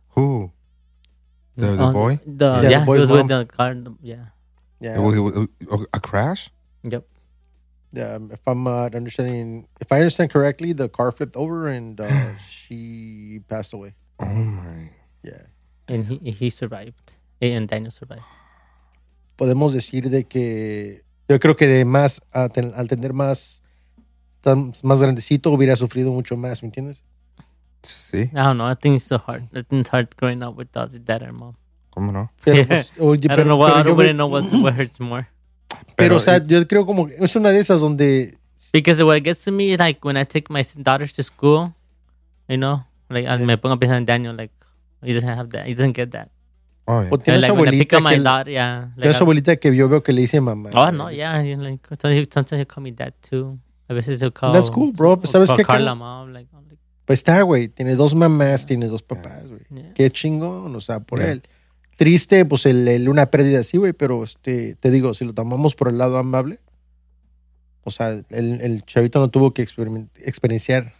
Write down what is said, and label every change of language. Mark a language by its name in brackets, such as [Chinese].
[English] Who? The boy? The boy's mom. With the car. Yeah. It was a crash? Yep. Yeah, if I understand correctly, the car flipped over and she passed away. Oh my. Yeah. And he survived. And Daniel survived. [Spanish] Podemos decir de que yo creo que de más al tener más grandecito hubiera sufrido mucho más, ¿me entiendes? Sí. [English] I don't know. I think it's so hard. I think it's hard growing up without the dad and mom. [Spanish] ¿Cómo no? [English] I don't know what hurts more. [Spanish] Pero, yo creo como es una de esas donde... [English] Because what gets to me is like when I take my daughters to school, you know, like [Spanish] me pongo a pensar en Daniel, [English] like, he doesn't get that. Oh, yeah. [Spanish] O tienes like, abuelita [English] when I pick up my daughter, [Spanish] tienes abuelita que yo veo que le dice mamá. [English] Oh, no, sometimes he'll call me dad too. [Spanish] A veces [English] he'll call... That's cool, bro. [Spanish] ¿Sabes qué? [English] Call Carla mom, like... [Spanish] Pues está, güey. Tiene dos mamás, tiene dos papás, güey. Yeah. Qué chingón, o sea, por él. Triste, pues el una pérdida así, güey, pero te digo, si lo tomamos por el lado amable, o sea, el chavito no tuvo que experienciar.